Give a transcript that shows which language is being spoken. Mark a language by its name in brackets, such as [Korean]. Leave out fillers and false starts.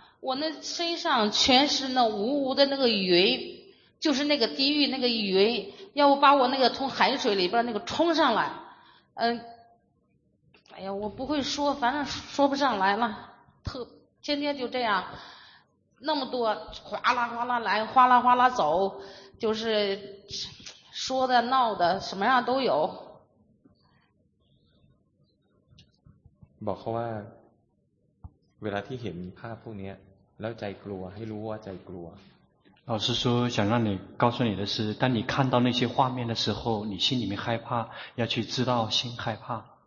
[Chinese] 我那身上全是那无无的那个云，就是那个地狱那个云，要不把我那个从海水里边那个冲上来，哎呀，我不会说，反正说不上来了，天天就这样，那么多哗啦哗啦来，哗啦哗啦走。就是说的闹的什么样都有 [Thai] บอกเขาว่าเวลาที่เห็นภาพพวกนี้แล้วใจกลัวให้รู้ว่าใจกลัว [Chinese] 老师说想让你告诉你的是当你看到那些画面的时候你心里面害怕要去知道心害怕